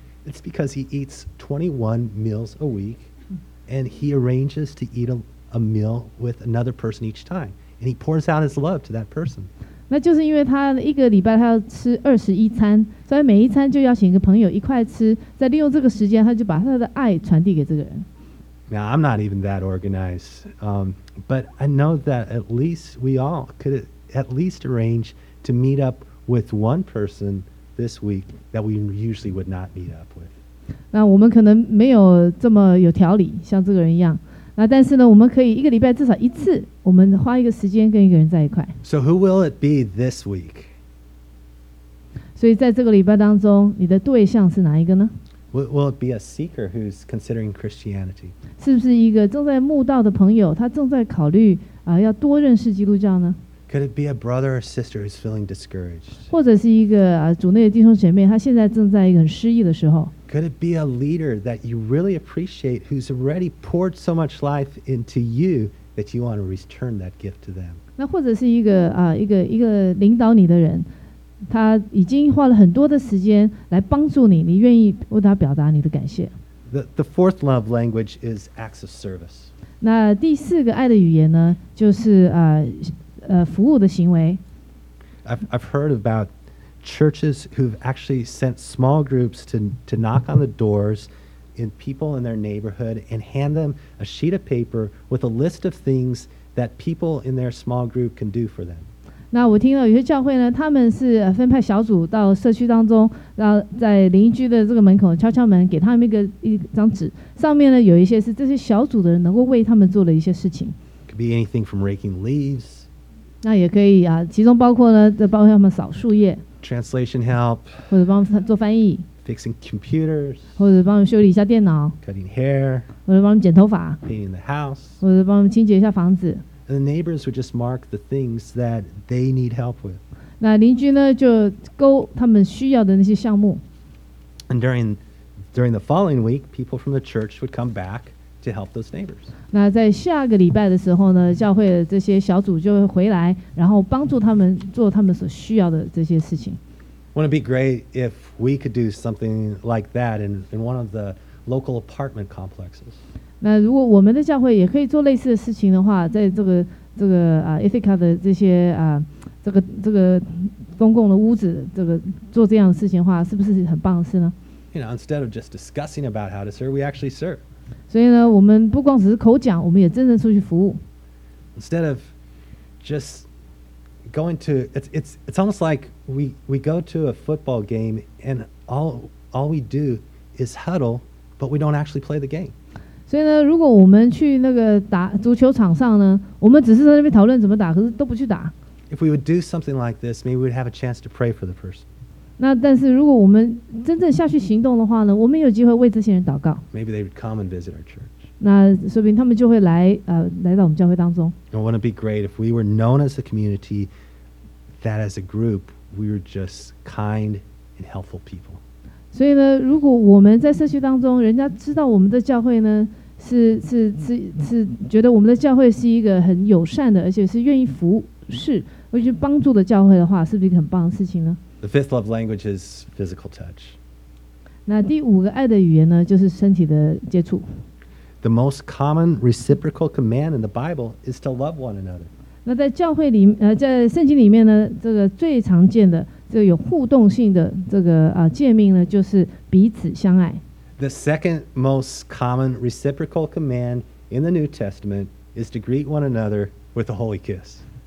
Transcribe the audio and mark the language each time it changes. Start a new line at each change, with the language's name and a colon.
English: It's because he eats 21 meals a week, and he arranges to eat a meal with another person each time, and he pours out his love to that person.
Chinese: 那就是因为他一个礼拜他要吃21餐，所以每一餐就邀请一个朋友一块吃，再利用这个时间，他就把他的爱传递给这个人。
English: Now, I'm not even that organized, but I know that at least we all could at least arrange to meet up with one person. This week that we usually would not meet up with.
Chinese: 那我们可能没有这么有条理，像这个人一样。那但是呢，我们可以一个礼拜至少一次，我们花一个时间跟一个人在一块。
English: So who will it be this week?
Chinese: 所以在这个礼拜当中，你的对象是哪一个呢？
English: Will it be a seeker who's considering Christianity?
Chinese: 是不是一个正在慕道的朋友，他正在考虑要多认识基督教呢？
English: Could it be a brother or sister who's feeling discouraged?
Chinese: 或者是一个主内的弟兄姐妹，他现在正在一个很失意的时候。
English: Could it be a leader that you really appreciate, who's already poured so much life into you that you want to return that gift to them?
Chinese: 那或者是一个领导你的人，他已经花了很多的时间来帮助你，你愿意为他表达你的感谢。
English: The fourth love language is acts of service.
Chinese: 那第四个爱的语言呢，就是服务的行为。
English: I've heard about churches who've actually sent small groups to knock on the doors in people in their neighborhood and hand them a sheet of paper with a list of things that people in their small group can do for them.
Chinese: 那我听到有些教会呢，他们是分派小组到社区当中，然后在邻居的这个门口敲敲门，给他们一张纸，上面呢有一些是这些小组的人能够为他们做的一些事情。
English: Could be anything from raking leaves.
Chinese: 那也可以其中包括呢，再帮他们扫树叶
English: ，translation help，
Chinese: 或者帮他们做翻译
English: ，fixing computers，
Chinese: 或者帮他们修理一下电脑
English: ，cutting hair，
Chinese: 或者帮他们剪头发
English: ，painting the house，
Chinese: 或者帮他们清洁一下房子。
English: And the neighbors would just mark the things that they need help with。
Chinese: 那邻居呢，就勾他们需要的那些项目。
English: And during the following week, people from the church would come back. To help those neighbors.
Chinese: 那在下个礼拜的时候呢，教会的这些小组就会回来，然后帮助他们做他们所需要的这些事情。
English: Wouldn't it be great if we could do something like that in one of the local apartment complexes?
Chinese: 那如果我们的教会也可以做类似的事情的话，在这个这个啊 Ithaca 的这些啊这个公共的屋子，这个做这样的事情的话，是不是很棒的事呢？
English: You know, instead of just discussing about how to serve, we actually serve.
Chinese: 所以呢，我们不光只是口讲，我们也真正出去服务。
English: Instead of just going to, it's almost like we go to a football game and all we do is huddle, but we don't actually play the game.
Chinese: 所以呢，如果我们去那个打足球场上呢，我们只是在那边讨论怎么打，可是都不去打。
English: If we would do something like this, maybe we'd have a chance to pray for the person.
Chinese: 那但是如果我们真正下去行动的话呢，我们有机会为这些人祷告。
English: Maybe they would come and visit our church.
Chinese: 那说不定他们就会来来到我们教会当中。
English: Wouldn't it be great if we were known as a community that, as a group, we were just kind and helpful people?
Chinese: 所以呢，如果我们在社区当中，人家知道我们的教会呢，是觉得我们的教会是一个很友善的，而且是愿意服务。是，而且帮助的教会的话，是不是一个很棒的事情呢？
English: The fifth love language is physical touch.
Chinese: 那第五个爱的语言呢，就是身体的接触。
English: The most common reciprocal command in the Bible is to love one another.
Chinese: 那在教会里，在圣经里面呢，这个最常见的，这个有互动性的这个诫命呢，就是彼此相爱。
English: The second most common reciprocal command in the New Testament is to greet one another with a holy kiss.